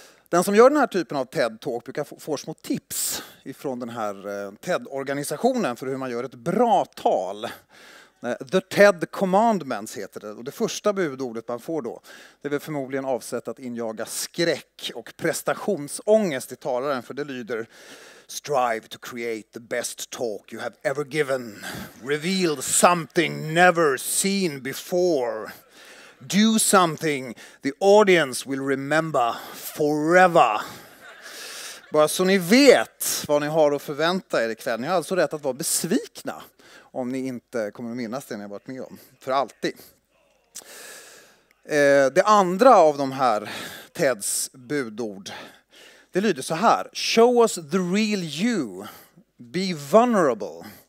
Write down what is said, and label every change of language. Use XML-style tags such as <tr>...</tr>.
<sv>Den som gör den här typen av TED-talk brukar få små tips från den här TED-organisationen för hur man gör ett bra tal. The TED Commandments heter det. Och det första budordet man får då, det är väl förmodligen avsett att injaga skräck och prestationsångest i talaren. För det lyder,</sv> <en>strive to create the best talk you have ever given. Reveal something never seen before. Do something the audience will remember forever.</en> <sv>Bara så ni vet vad ni har att förvänta er ikväll. Ni har alltså rätt att vara besvikna om ni inte kommer att minnas det ni har varit med om. För alltid. Det andra av de här Teds budord. Det lyder så här.</sv> <en>Show us the real you. Be vulnerable.</en>